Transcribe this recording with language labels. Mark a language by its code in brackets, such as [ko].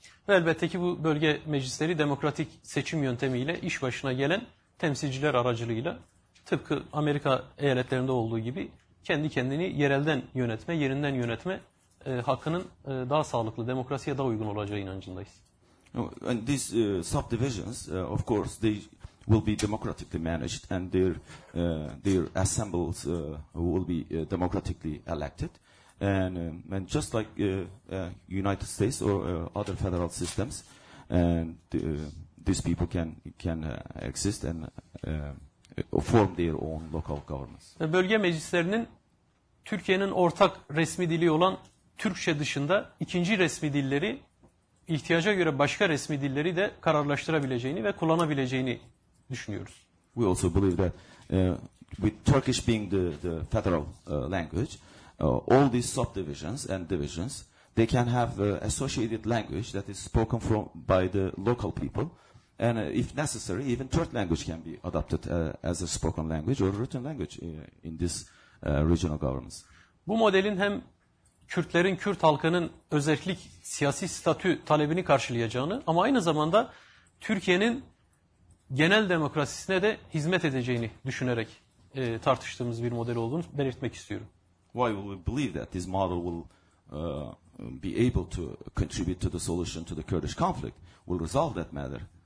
[tr] Ve elbette ki bu bölge meclisleri demokratik seçim yöntemiyle iş başına gelen temsilciler aracılığıyla, tıpkı Amerika eyaletlerinde olduğu gibi, kendi kendini yerelden yönetme, yerinden yönetme hakkının daha sağlıklı, demokrasiye daha uygun olacağı inancındayız. [en] And these subdivisions, of course, they will be democratically managed and their assembles will be democratically elected. And just like United States or other federal systems, and these people can exist and form their own local governments. [tr] Bölge meclislerinin Türkiye'nin ortak resmi dili olan Türkçe dışında ikinci resmi dilleri ihtiyaca göre başka resmi dilleri de kararlaştırabileceğini ve kullanabileceğini düşünüyoruz. [en] We also believe that with Turkish being the federal language, all these subdivisions and divisions, they can have associated language that is spoken from by the local people. And if necessary, even third language can be adopted as a spoken language or written language in this regional governments. [tr] Bu modelin hem Kürtlerin, Kürt halkının özellik siyasi statü talebini karşılayacağını ama aynı zamanda Türkiye'nin genel demokrasisine de hizmet edeceğini düşünerek tartıştığımız bir model olduğunu belirtmek istiyorum. [en] Why will we believe that this model will be able to contribute to the solution to the Kurdish conflict, will resolve that matter?